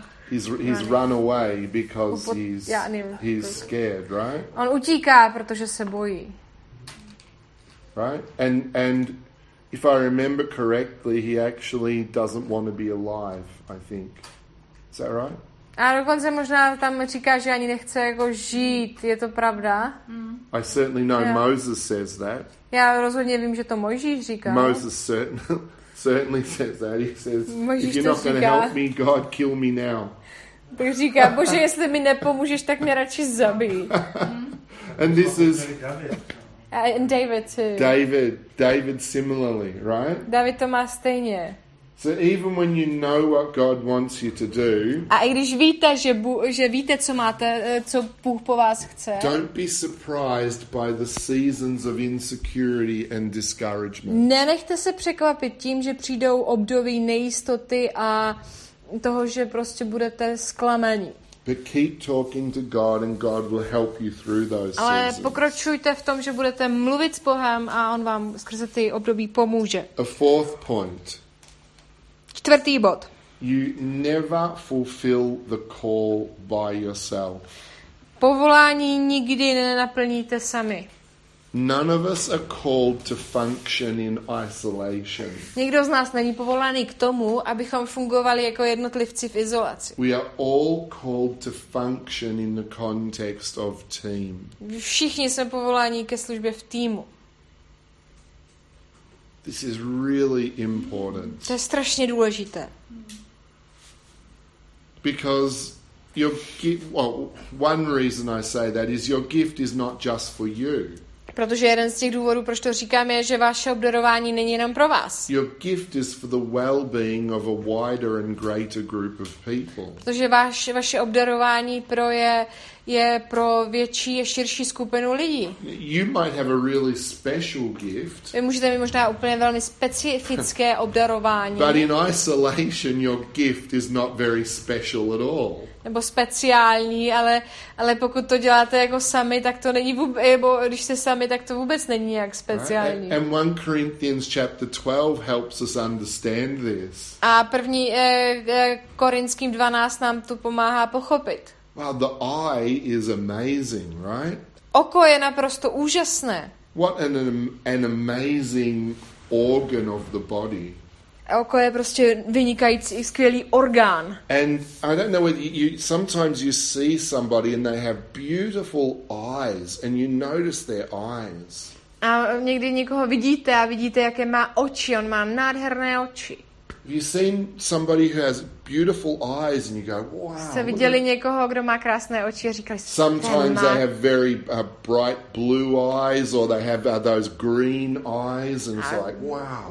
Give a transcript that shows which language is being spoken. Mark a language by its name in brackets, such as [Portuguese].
[English] he's run away because he's scared, right? [Czech] On utíká, protože se bojí. [English] Right? And if I remember correctly, he actually doesn't want to be alive, I think. Is that right? [Czech] A dokonce možná tam říká, že ani nechce jako žít. Je to pravda? [English] I certainly know yeah. Moses says that. [Czech] Já rozhodně vím, že to Mojžíš říká. [English] Moses certainly says that. He says, Mojžíš, if you're not going to help me, God, kill me now. [Czech] Tak říká, Bože, jestli mi nepomůžeš, tak mě radši zabij. [English] And this is... And David too. David similarly, right? [Czech] David to má stejně. [English] So even when you know what God wants you to do, [Czech] a i když víte, že víte, co máte, co Bůh po vás chce, [English] don't be surprised by the seasons of insecurity and discouragement. [Czech] Nenechte se překvapit tím, že přijdou období nejistoty a toho, že prostě budete zklamaní. [English] But keep talking to God and God will help you through those seasons. [Czech] Ale pokračujte v tom, že budete mluvit s Bohem a on vám skrze ty období pomůže. [English] A fourth point. [Czech] Čtvrtý bod. [English] You never fulfill the call by yourself. [Czech] Povolání nikdy nenaplníte sami. [English] None of us are called to function in isolation. [Czech] Nikdo z nás není povolaný k tomu, abychom fungovali jako jednotlivci v izolaci. [English] We are all called to function in the context of team. [Czech] Všichni jsme povoláni ke službě v týmu. [English] This is really important. [Czech] To je strašně důležité. [English] Because your gift, well, one reason I say that is your gift is not just for you. [Czech] Protože jeden z těch důvodů, proč to říkám, je, že vaše obdarování není jenom pro vás. [English] Your gift is for the well-being of a wider and greater group of people. [Czech] Protože vaše obdarování je pro větší a širší skupinu lidí. [English] You might have a really special gift. [Czech] Vy můžete mít možná úplně velmi specifické obdarování. [English] But in isolation your gift is not very special at all. [Czech] Nebo speciální, ale pokud to děláte jako sami, tak to není vůbec, nebo když jste sami, tak to vůbec není jak speciální. [English] Right? And 1 Corinthians chapter 12 helps us understand this. [Czech] A první Korinským 12 nám to pomáhá pochopit. [English] Wow, the eye is amazing, right? [Czech] Oko je naprosto úžasné. [English] What an amazing organ of the body. [Czech] Oko je prostě vynikající, skvělý orgán. [English] And I don't know whether you sometimes you see somebody and they have beautiful eyes and you notice their eyes. [Czech] A někdy někoho vidíte a vidíte, jaké má oči. On má nádherné oči. [English] Have you seen somebody who has beautiful eyes and you go, wow. [Czech] Jste viděli někoho, kdo má krásné oči a říkali, [English] sometimes they have very bright blue eyes or they have those green eyes and it's like, wow.